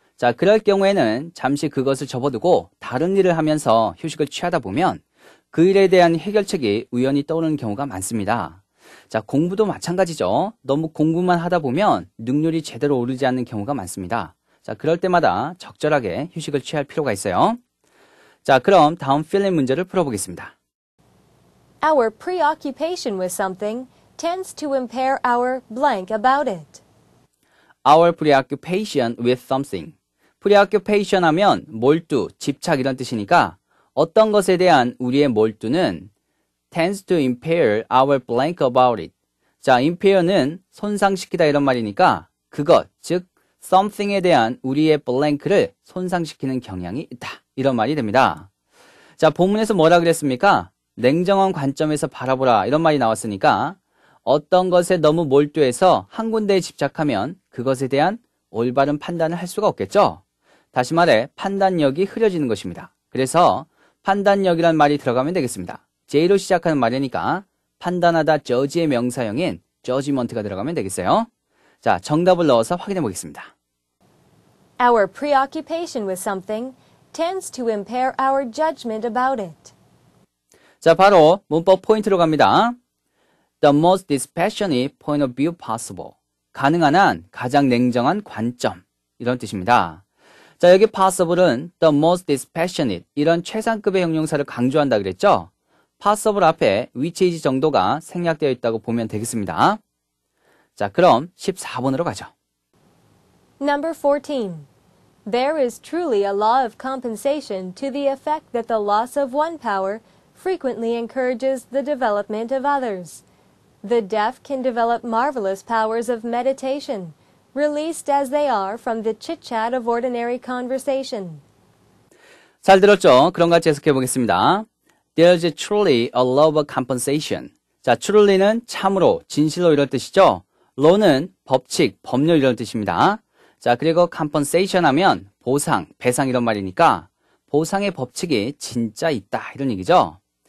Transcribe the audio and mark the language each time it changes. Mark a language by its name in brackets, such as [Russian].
[Korean] 자, 그럴 경우에는 잠시 그것을 접어두고 다른 일을 하면서 휴식을 취하다 보면 그 일에 대한 해결책이 우연히 떠오르는 경우가 많습니다. 자, 공부도 마찬가지죠. 너무 공부만 하다 보면 능률이 제대로 오르지 않는 경우가 많습니다. 자, 그럴 때마다 적절하게 휴식을 취할 필요가 있어요. 자, 그럼 다음 필링 문제를 풀어보겠습니다. [English] Our preoccupation with something tends to impair our blank about it. Our preoccupation with something. [Korean] Preoccupation 하면 몰두, 집착 이런 뜻이니까 어떤 것에 대한 우리의 몰두는 [English] tends to impair our blank about it. [Korean] 자, impair는 손상시키다 이런 말이니까 그것, 즉 something에 대한 우리의 blank를 손상시키는 경향이 있다. 이런 말이 됩니다. 자, 본문에서 뭐라 그랬습니까? 냉정한 관점에서 바라보라 이런 말이 나왔으니까 어떤 것에 너무 몰두해서 한 군데에 집착하면 그것에 대한 올바른 판단을 할 수가 없겠죠? 다시 말해, 판단력이 흐려지는 것입니다. 그래서 판단력이란 말이 들어가면 되겠습니다. J로 시작하는 말이니까 판단하다 judge의 명사형인 judgment가 들어가면 되겠어요. 자, 정답을 넣어서 확인해 보겠습니다. [English] Our preoccupation with something tends to impair our judgment about it. [Korean] 자, 바로 문법 포인트로 갑니다. [English] The most dispassionate point of view possible. [Korean] 가능한 한 가장 냉정한 관점. 이런 뜻입니다. 자, 여기 possible은 [English] the most dispassionate. [Korean] 이런 최상급의 형용사를 강조한다 그랬죠? possible 앞에 which is 정도가 생략되어 있다고 보면 되겠습니다. 자, 그럼 14번으로 가죠. [English] Number 14. There is truly a law of compensation to the effect that the loss of one power frequently encourages the development of others. The deaf can develop marvelous powers of meditation, released as they are from the chit-chat of ordinary conversation. [Korean] 잘 들었죠? 그런 것 같이 해석해 보겠습니다. [English] There's truly a love of compensation. [Korean] 자, truly는 참으로, 진실로 이런 뜻이죠. law는 법칙, 법률 이런 뜻입니다. 자, 그리고 compensation 하면 보상, 배상 이런 말이니까 보상의 법칙이 진짜 있다 이런 얘기죠.